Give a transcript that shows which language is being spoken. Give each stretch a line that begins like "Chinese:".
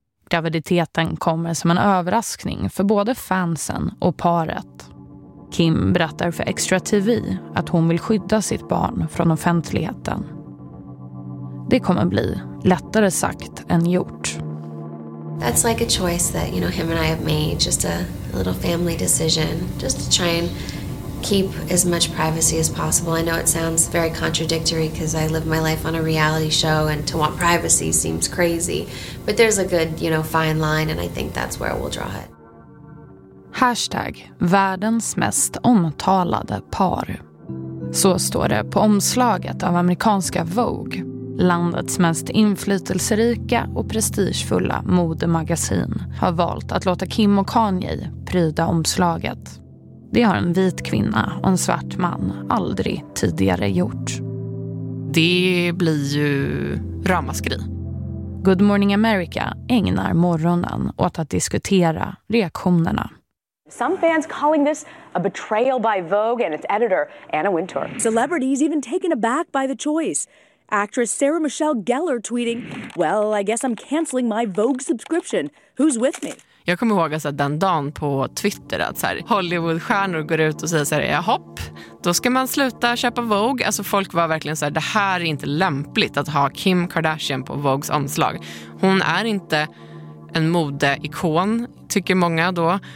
Swedish: Graviditeten kommer som en överraskning för både fansen och paret. Kim berättar för Extra TV att hon vill skydda sitt barn från offentligheten. Det kommer bli lättare sagt än gjort.
English: That's like a choice that, you know, him and I have made, just a little family decision, just to try and keep as much privacy as possible. I know it sounds very contradictory because I live my life on a reality show and to want privacy seems crazy, but there's a good, you know, fine line and I think that's where we'll draw it.
Swedish: Hashtag världens mest omtalade par. Så står det på omslaget av amerikanska Vogue, landets mest inflytelserika och prestigefulla modemagasin, har valt att låta Kim och Kanye pryda omslaget. Det har en vit kvinna och en svart man aldrig tidigare gjort. Det blir ju ramaskri. Good Morning America ägnar morgonen åt att diskutera reaktionerna.
English: Some fans calling this a betrayal by Vogue and its editor Anna Wintour. Celebrities even taken aback by the choice. Actress Sarah Michelle Gellar tweeting, "Well, I guess I'm canceling my Vogue subscription. Who's with me?"
Swedish: Jag kommer ihåg att den dagen på Twitter att så här, Hollywoodstjärnor går ut och säger så här, hopp, då ska man sluta köpa Vogue. Alltså folk var verkligen så här, det här är inte lämpligt att ha Kim Kardashian på Vogues omslag. Hon är inte en modeikon, tycker många då.